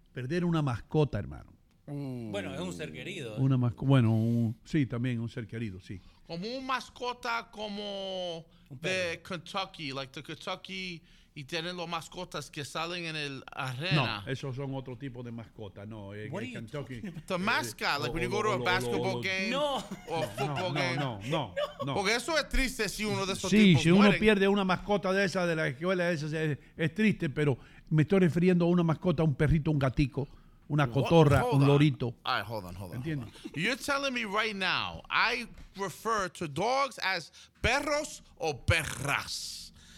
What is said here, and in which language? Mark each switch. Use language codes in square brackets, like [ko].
[es] Perder una mascota, hermano. Bueno, es un ser querido. Un ser querido, sí. Como un mascota como de Kentucky, [en] like the Kentucky, [es] y tienen los mascotas que salen en el arena. No, esos son otro tipo de mascota, no. [en] What are you Kentucky, the mascot, like when you go to a basketball game. No. O football game. No. [es] Porque eso es triste si uno de esos sí, tipos Sí, si mueren. Uno pierde una mascota de esa, de la escuela, de esa, es triste, pero me estoy refiriendo a una mascota, un perrito, un gatico, una cotorra, un lorito. [en] All right, hold on. ¿Entiendes? You're telling me right now, I refer to dogs as [es] perros o perras.